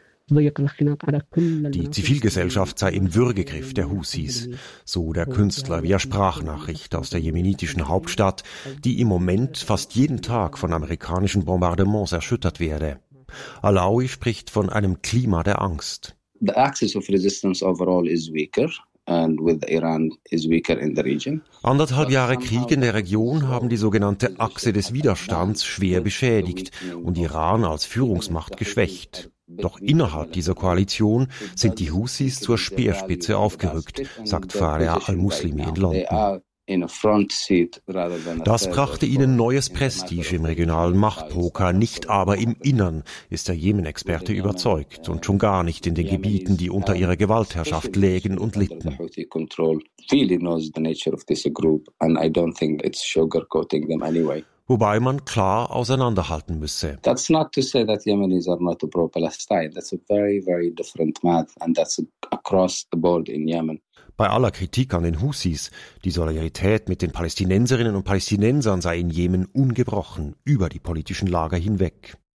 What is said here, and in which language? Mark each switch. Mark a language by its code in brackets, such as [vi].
[de] Die Zivilgesellschaft sei im Würgegriff der Houthis, so der Künstler via Sprachnachricht aus der jemenitischen Hauptstadt, die im Moment fast jeden Tag von amerikanischen Bombardements erschüttert werde. Alawi spricht von einem Klima der Angst. [en] The axis of resistance overall is weaker. And with Iran is weaker in the region. [de] Anderthalb Jahre Krieg in der Region haben die sogenannte Achse des Widerstands schwer beschädigt und Iran als Führungsmacht geschwächt. Doch innerhalb dieser Koalition sind die Houthis zur Speerspitze aufgerückt, sagt Farah al-Muslimi in London. [en] In a front seat rather than a [de] das brachte ihnen neues Prestige im regionalen Machtpoker, nicht aber im Innern, ist der Jemen-Experte überzeugt, und schon gar nicht in den Gebieten, die unter ihrer Gewaltherrschaft lägen und litten. Wobei man klar auseinanderhalten müsse. [en] That's not to say that Yemenis are not pro-Palestine. That's a very, very different math, and that's across the board in Yemen. [de] Bei aller Kritik an den Houthis, die Solidarität mit den Palästinenserinnen und Palästinensern sei in Jemen ungebrochen, über die politischen Lager hinweg.